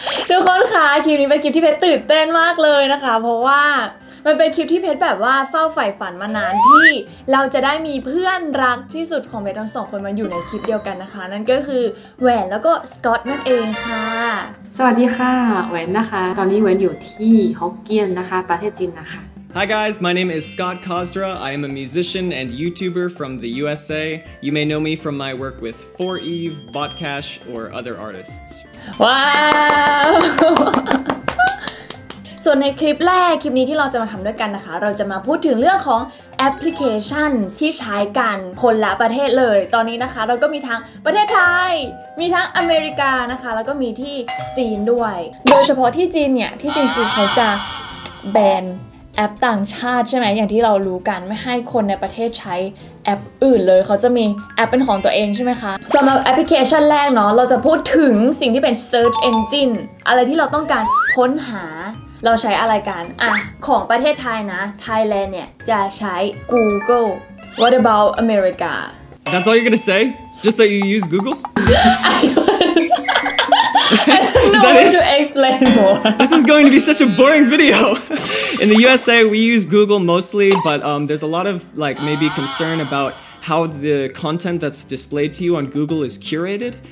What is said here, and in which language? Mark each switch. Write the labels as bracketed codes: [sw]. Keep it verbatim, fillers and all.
[th] ทุกคนค่ะคลิปนี้เป็นคลิปที่เพชรตื่นเต้นมากเลยนะคะเพราะว่ามันเป็นคลิปที่เพชรแบบว่าเฝ้าใฝ่ฝันมานานที่เราจะได้มีเพื่อนรักที่สุดของเพชรทั้งสองคนมาอยู่ในคลิปเดียวกันนะคะนั่นก็คือแหวนแล้วก็สกอตนั่นเองค่ะ สวัสดีค่ะแหวนนะคะตอนนี้แหวนอยู่ที่ฮกเกี้ยนนะคะประเทศจีนนะคะ [en] Hi guys, my name is Scott Kozdra. I am a musician and YouTuber from the U S A. You may know me from my work with four eve, Botcash, or other artists. Wow! [th] ส่วนในคลิปแรกคลิปนี้ที่เราจะมาทำด้วยกันนะคะเราจะมาพูดถึงเรื่องของแอปพลิเคชันที่ใช้กันคนละประเทศเลยตอนนี้นะคะเราก็มีทั้งประเทศไทยมีทั้งอเมริกานะคะแล้วก็มีที่จีนด้วยโดยเฉพาะที่จีนเนี่ยที่จีนคือเขาจะ แบนแอปต่างชาติใช่ไหมอย่างที่เรารู้กันไม่ให้คนในประเทศใช้แอปอื่นเลยเขาจะมีแอปเป็นของตัวเองใช่ไหมคะสำหรับแอปพลิเคชันแรกเนาะเราจะพูดถึงสิ่งที่เป็น search engine อะไรที่เราต้องการค้นหาเราใช้อะไรกันอ่ะของประเทศไทยนะ Thailand เนี่ยจะใช้ Google [en] What about America That's all you're gonna say? Just that you use Google? I don't know how to explain more. This is going to be such a boring video. In the U S A, we use Google mostly, but um, there's a lot of like maybe concern about how the content that's displayed to you on Google is curated.